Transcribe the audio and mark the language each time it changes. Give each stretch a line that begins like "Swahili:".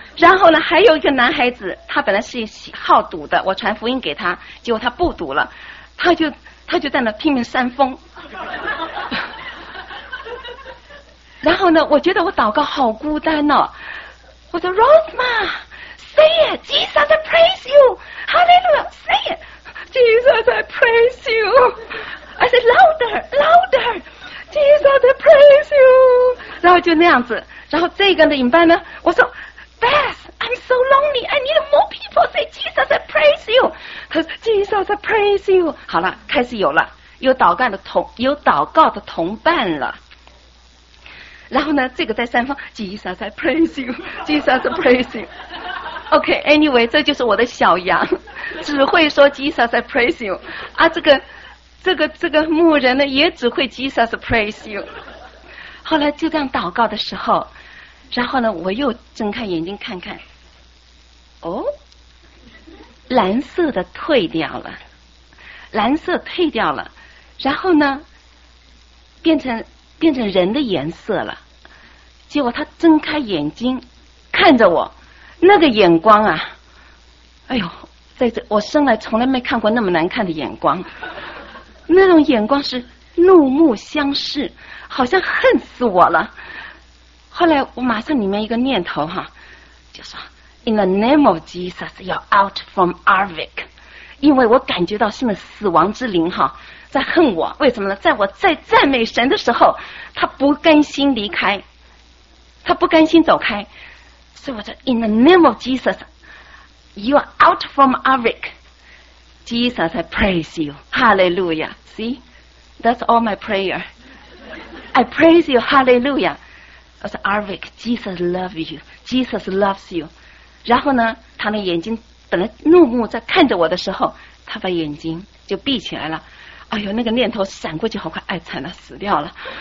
Chinese: 然后呢还有一个男孩子，他本来是喜好赌的，我传福音给他，结果他不赌了，他就在那拼命扇风。然后呢我觉得我祷告好孤单哦，我说
English: Rosma say it， Jesus I praise you hallelujah， say it， Jesus I praise you， I say louder louder， Jesus I praise you。
Chinese: 然后就那样子。然后这个领班呢我说
English: Beth I'm so lonely I need more people say Jesus I praise you，
Chinese: 他说
English: Jesus I praise you。
Chinese: 好了，开始有了有祷告的同伴了。然后呢这个在三方
English: Jesus I praise you Jesus I praise you OK anyway
Chinese: 这就是我的小羊，只会说
English: Jesus I praise you
Chinese: 啊，这个牧人呢也只会 Jesus I praise you。后来就这样祷告的时候，然后呢我又睁开眼睛看看，哦，蓝色的退掉了，蓝色退掉了，然后呢变成人的颜色了。结果他睁开眼睛看着我，那个眼光啊，哎呦，在这我生来从来没看过那么难看的眼光，那种眼光是怒目相视，好像恨死我了。后来我马上里面一个念头哈，就说
English: In the name of Jesus you're out from Arvik，
Chinese: 因为我感觉到是那死亡之灵哈在恨我。为什么呢？在我在赞美神的时候他不甘心离开，他不甘心走开，所以我说
English: In the name of Jesus You are out from Arvik Jesus I praise you Hallelujah See That's all my prayer I praise you Hallelujah I said Arvik Jesus loves you Jesus loves you。
Chinese: 然后呢他的眼睛本来怒目在看着我的时候，他把眼睛就闭起来了。哎呦，那个念头闪过去好快，哎，惨了，死掉了。